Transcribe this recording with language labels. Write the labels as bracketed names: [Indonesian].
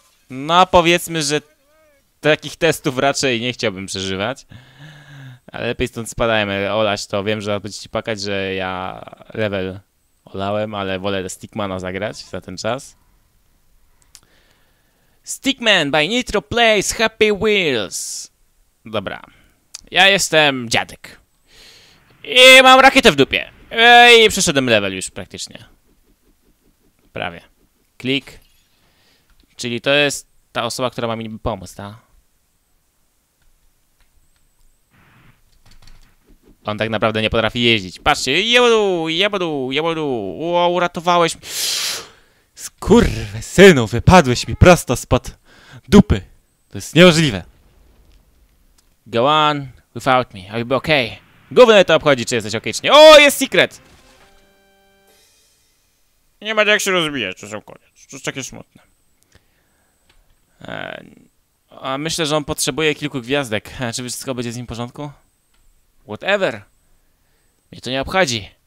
[Polish] No, powiedzmy, że... Takich testów raczej nie chciałbym przeżywać. Ale lepiej stąd spadajmy. Olaś to, wiem, że będzie ci płakać, że ja... Level... Olałem, ale wolę Stickmana zagrać za ten czas. Stickman by Nitro Plays Happy Wheels. Dobra. Ja jestem dziadek. I mam rakietę w dupie. I przeszedłem level już praktycznie. Prawie. Klik. Czyli to jest ta osoba, która ma mi pomóc, ta? On tak naprawdę nie potrafi jeździć. Patrzcie, jebodu, jebodu, jebodu. O, uratowałeś. Skurwysynu, wypadłeś mi prosto spod dupy. To jest niemożliwe. [English] Go on without me, I'll be okay. [Polish] Gówno to obchodzi, czy jesteś okej, czy nie. O, jest secret! Nie ma jak się rozbijać, to są koniec. To jest takie smutne. A myślę, że on potrzebuje kilku gwiazdek. Czy wszystko będzie z nim w porządku? Whatever. Mnie to nie obchodzi.